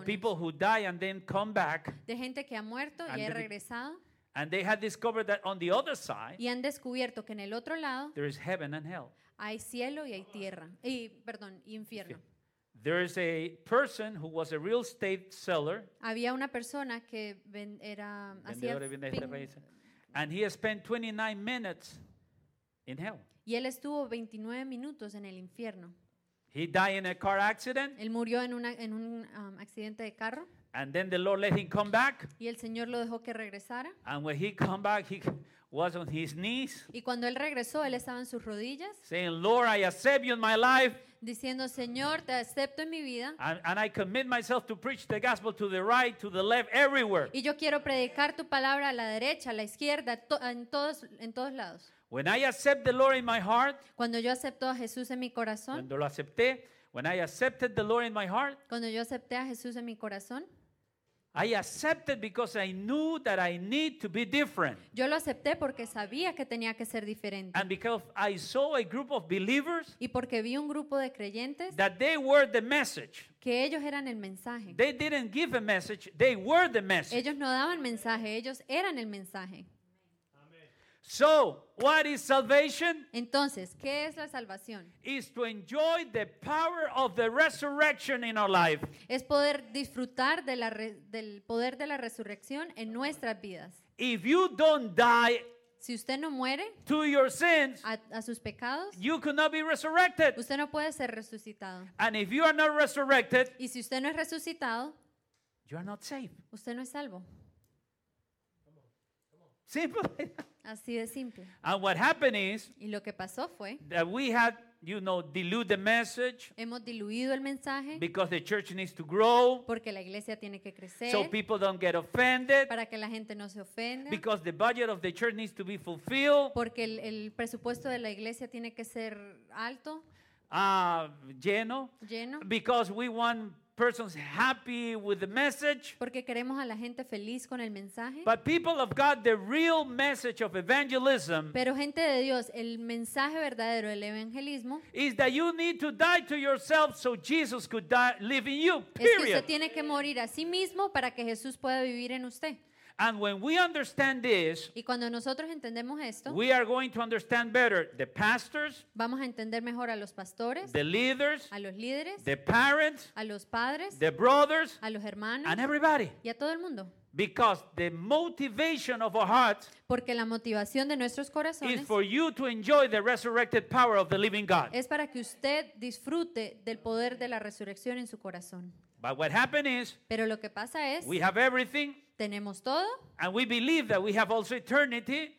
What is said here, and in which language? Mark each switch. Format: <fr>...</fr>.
<en>of people who die and then come back,</en> <es>de gente que ha muerto y ha regresado,</es> <en>and they had discovered that on the other side,</en> <es>y han descubierto que en el otro lado,</es> <en>there is heaven and hell,</en> <es>hay cielo y hay tierra, y perdón, infierno.</es> <en>There is a person who was a real estate seller.</en> <es>Había una persona que era hacía</es> <en>and he spent 29 minutes in hell.</en> <es>Y él estuvo 29 minutos en el infierno.</es> <en>He died in a car accident.</en> <es>Él murió en un accidente de carro.</es> <en>And then the Lord let him come back.</en> <es>Y el Señor lo dejó que regresara.</es> <en>And when he come back, he was on his knees.</en> <es>Y cuando él regresó, él estaba en sus rodillas.</es> <en>Saying, Lord, I accept you in my life.</en> <es>Diciendo, Señor, te acepto en mi vida.</es> <en>And I commit myself to preach the gospel to the right, to the left, everywhere.</en> <es>Y yo quiero predicar tu palabra a la derecha, a la izquierda, en todos lados.</es> <en>When I accept the Lord in my heart.</en> <es>Cuando yo acepto a Jesús en mi corazón. Cuando lo acepté.</es> <en>When I accepted the Lord in my heart.</en> <es>Cuando yo acepté a Jesús en mi corazón.</es> <en>I accepted because I knew that I need to be different.</en> <es>Yo lo acepté porque sabía que tenía que ser diferente.</es> <en>And because I saw a group of believers.</en> <es>Y porque vi un grupo de creyentes.</es> <en>That they were the message.</en> <es>Que ellos eran el mensaje.</es> <en>They didn't give a message. They were the message.</en> <es>Ellos no daban mensaje. Ellos eran el mensaje.</es> <en>So, what is salvation?</en> <es>Entonces, ¿qué es la salvación?</es> <en>Is to enjoy the power of the resurrection in our life.</en> <es>Es poder disfrutar del poder de la resurrección en nuestras vidas.</es> <en>If you don't die,</en> <es>si usted no muere,</es> <en>to your sins,</en> <es>a sus pecados,</es> <en>you cannot be resurrected.</en> <es>Usted no puede ser resucitado.</es> <en>And if you are not resurrected,</en> <es>y si usted no es resucitado,</es> <en>you are not saved.</en> <es>Usted no es salvo.</es> <en>Simple.</en> <es>Así de simple.</es> <en>And what happened is,</en> <es>y lo que pasó fue,</es> <en>that we had You know, dilute the message.</en> <es>Hemos diluido el mensaje.</es> <en>Because the church needs to grow.</en> <es>Porque la iglesia tiene que crecer.</es> <en>So people don't get offended.</en> <es>Para que la gente no se ofenda.</es> <en>Because the budget of the church needs to be fulfilled.</en> <es>Porque el presupuesto de la iglesia tiene que ser alto. Lleno. Lleno.</es> <en>Because we want persons happy with the message.</en> <es>Porque queremos a la gente feliz con el mensaje.</es> <en>But people of God, the real message of evangelism.</en> <es>Pero gente de Dios, el mensaje verdadero del evangelismo.</es> <en>Is that you need to die to yourself so Jesus could die, live in you. Period.</en> <es>Es que usted tiene que morir a sí mismo para que Jesús pueda vivir en usted.</es> <en>And when we understand this,</en> <es>y cuando nosotros entendemos esto,</es> <en>we are going to understand better the pastors,</en> <es>vamos a entender mejor a los pastores,</es> <en>the leaders,</en> <es>a los líderes,</es> <en>the parents,</en> <es>a los padres,</es> <en>the brothers,</en> <es>a los hermanos,</es> <en>and everybody,</en> <es>y a todo el mundo.</es> <en>Because the motivation of our hearts,</en> <es>porque la motivación de nuestros corazones,</es> <en>is for you to enjoy the resurrected power of the living God.</en> <es>Es para que usted disfrute del poder de la resurrección en su corazón.</es> <en>But what happened is,</en> <es>pero lo que pasa es,</es> <en>we have everything.</en> <es>Tenemos todo.</es> <en>And we believe that we have also eternity.</en>